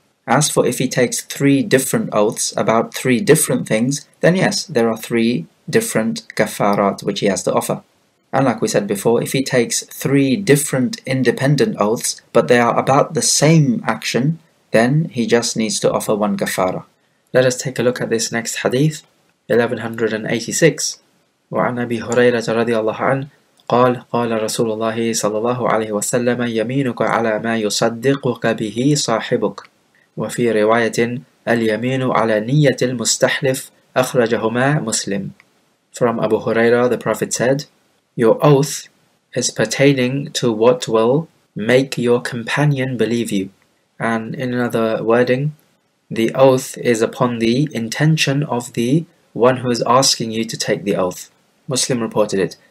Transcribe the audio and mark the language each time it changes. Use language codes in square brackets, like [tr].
[en] As for if he takes three different oaths about three different things, then yes, there are three different kafarat which he has to offer. And like we said before, if he takes three different independent oaths, but they are about the same action, then he just needs to offer one kafara. Let us take a look at this next hadith, 1186. [ar] وعن أبي هريرة رضي الله عنه قال قال رسول الله صلى الله عليه وسلم يمينك على ما يصدقك به صاحبك وفي رواية اليمين على نية المستحلف أخرجهما مسلم. [en] From Abu Huraira, the Prophet said, your oath is pertaining to what will make your companion believe you. And in another wording, the oath is upon the intention of the one who is asking you to take the oath. Muslim reported it.